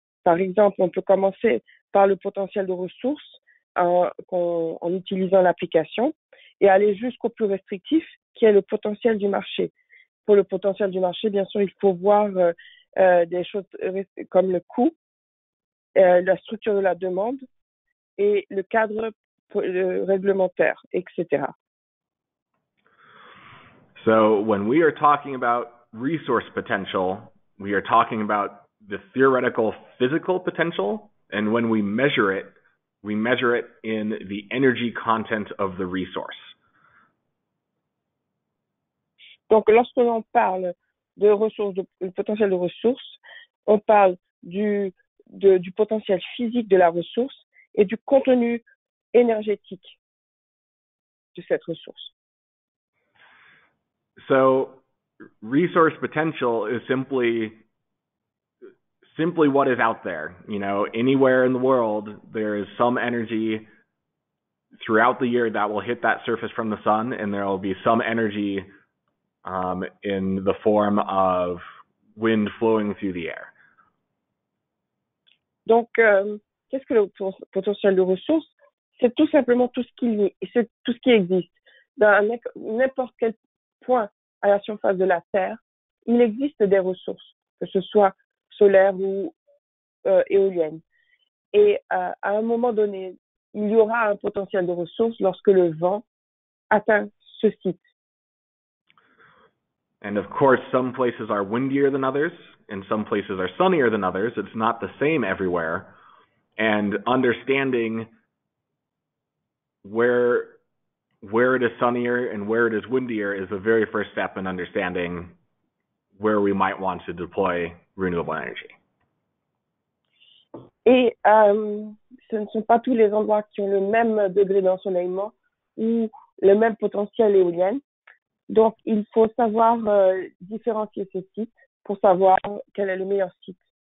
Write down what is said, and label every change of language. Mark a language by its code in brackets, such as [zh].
[fr] Par exemple, on peut commencer par le potentiel de ressources en utilisant l'application et aller jusqu'au plus restrictif, qui est le potentiel du marché. Pour le potentiel du marché, bien sûr, il faut voir des choses comme le coût, la structure de la demande et le cadre réglementaire, etc. [en] So, when we are talking about resource potential, we are talking about the theoretical physical potential, and when we measure it in the energy content of the resource. [fr] Donc, lorsque l'on parle de ressources, de potentiel de ressources, on parle du potentiel physique de la ressource et du contenu énergétique de cette ressource. [en] So, resource potential is simply what is out there. You know, anywhere in the world, there is some energy throughout the year that will hit that surface from the sun, and there will be some energy in the form of wind flowing through the air. [fr] Donc, qu'est-ce que le potentiel de ressources? C'est tout simplement tout ce qui existe. Dans n'importe quel point à la surface de la Terre, il existe des ressources, que ce soit solaire ou éolienne. Et à un moment donné, il y aura un potentiel de ressources lorsque le vent atteint ce site. [en] And of course, some places are windier than others, and some places are sunnier than others. It's not the same everywhere. And understanding where it is sunnier and where it is windier is the very first step in understanding where we might want to deploy renewable energy. [fr] Et ce ne sont pas tous les endroits qui ont le même degré d'ensoleillement ou le même potentiel éolien. Donc, il faut savoir différencier ces sites pour savoir quel est le meilleur site.